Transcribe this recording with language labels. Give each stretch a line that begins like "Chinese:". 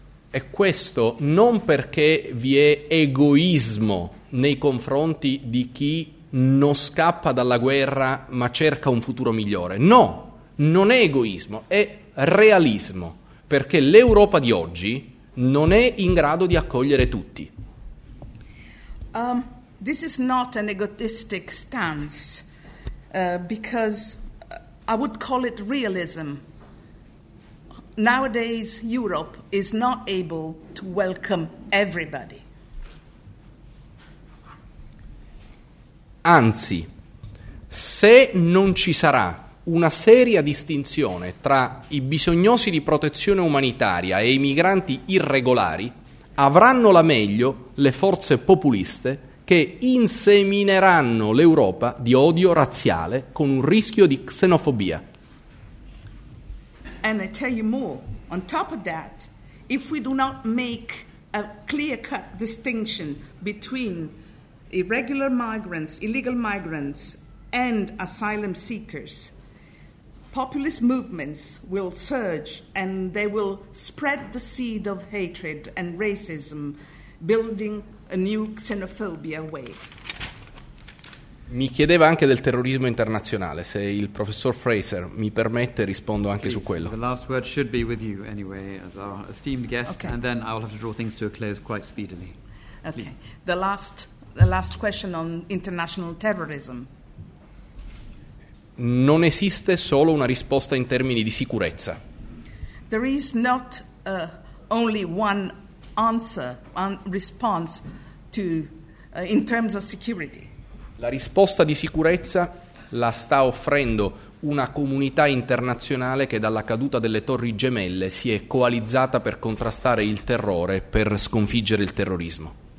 Italian: E questo non perché vi è egoismo nei confronti di chi non scappa dalla guerra ma cerca un futuro migliore. No, non è egoismo, è realismo, perché l'Europa di oggi non è in grado di accogliere tutti.
English: This is not an egotistic stance, because I would call it realism. Nowadays, Europe is not able to welcome everybody.
Italian: Anzi, se non ci sarà una seria distinzione tra i bisognosi di protezione umanitaria e i migranti irregolari, avranno la meglio le forze populiste che insemineranno l'Europa di odio razziale con un rischio di xenofobia.
English: And I tell you more, on top of that, if we do not make a clear-cut distinction between irregular migrants, illegal migrants, and asylum seekers, populist movements will surge and they will spread the seed of hatred and racism, building a new xenophobia wave.
Italian: Mi chiedeva anche del terrorismo internazionale, se il professor Fraser mi permette rispondo anche
English: Please,
Italian: su quello.
English: The last word should be with you anyway as our esteemed guest, okay. And then I'll have to draw things to a close quite speedily. Okay. Please. The last question on international terrorism.
Italian: Non esiste solo una risposta in termini di sicurezza.
English: There is not only one answer, one response to in terms of security.
Italian: La risposta di sicurezza la sta offrendo una comunità internazionale che dalla caduta delle Torri Gemelle si è coalizzata per contrastare il terrore, per sconfiggere il terrorismo.